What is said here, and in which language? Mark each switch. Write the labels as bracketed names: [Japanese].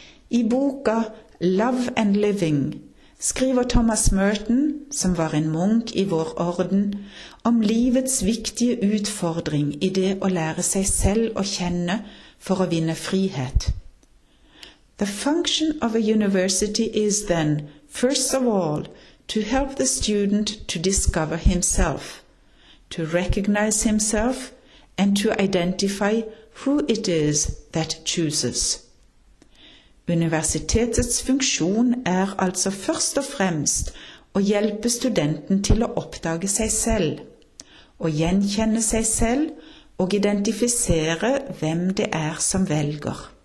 [Norwegian] I boka «Love and Living» skriver Thomas Merton, som var en munk i vår orden, om livets viktige utfordring i det å lære seg selv å kjenne for å vinne frihet. [English] «The function of a university is then, first of all, to help the student to discover himself, to recognize himself, and to identify who it is that chooses.» [Norwegian] Universitetets funksjon er altså først og fremst å hjelpe studenten til å oppdage seg selv, å gjenkjenne seg selv og identifisere hvem det er som velger.